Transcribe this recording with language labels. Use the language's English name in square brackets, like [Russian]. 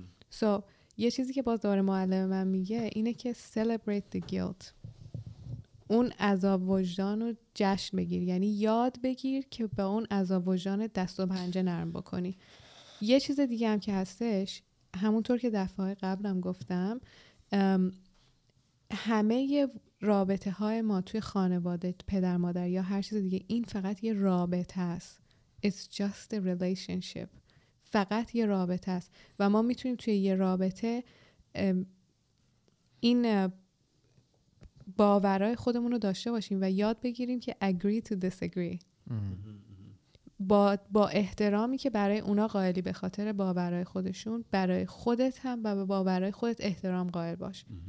[Persian] سو یه چیزی که باز داره معلم من میگه اینه که [English] celebrate the guilt، [Persian] اون عذاب وجدان رو جشن بگیر، یعنی یاد بگیر که به اون عذاب وجدان دست و پنجه نرم بکنی. یه چیز دیگه هم که هستش، همونطور که دفعه قبلم گفتم، همه رابطه های ما توی خانواده، پدر مادر یا هر چیز دیگه، این فقط یه رابطه است. [English] It's just a relationship. [Persian] فقط یه رابطه است و ما میتونیم توی یه رابطه این باورهای خودمون رو داشته باشیم و یاد بگیریم که [English] agree to disagree، [Persian] با احترامی که برای اونا قائلی به خاطر باورهای خودشون، برای خودت هم و به باورهای خودت احترام قائل باش.